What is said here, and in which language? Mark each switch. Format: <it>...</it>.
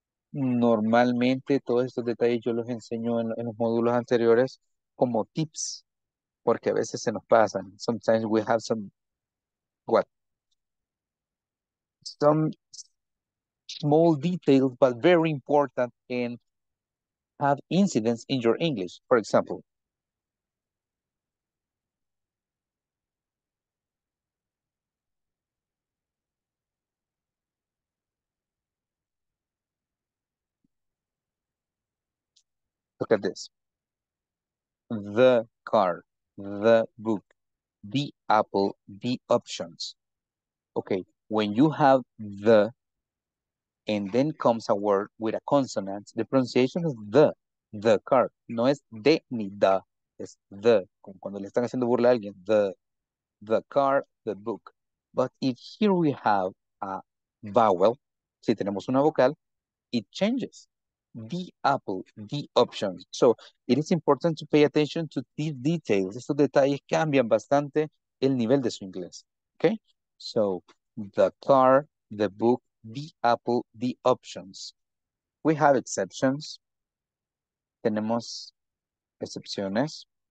<es>Normalmente todos estos detalles yo los enseño en los módulos anteriores, como tips, porque a veces se nos pasan.</es> <en>Sometimes we have some, what? Some small details, but very important, and have incidents in your English, for example. Look at this. The car, the book, the apple, the options. Okay, when you have the and then comes a word with a consonant, the pronunciation is the car.</en> <es>No es de ni da, es the. Como cuando le están haciendo burla a alguien,</es> <en>the car, the book. But if here we have a vowel,</en> <es>si tenemos una vocal,</es> <en>it changes. The apple, the options. So it is important to pay attention to these details.</en> <es>Estos detalles cambian bastante el nivel de su inglés.</es> <en>Okay? So the car, the book, the apple, the options. We have exceptions.</en> <es>Tenemos excepciones.</es>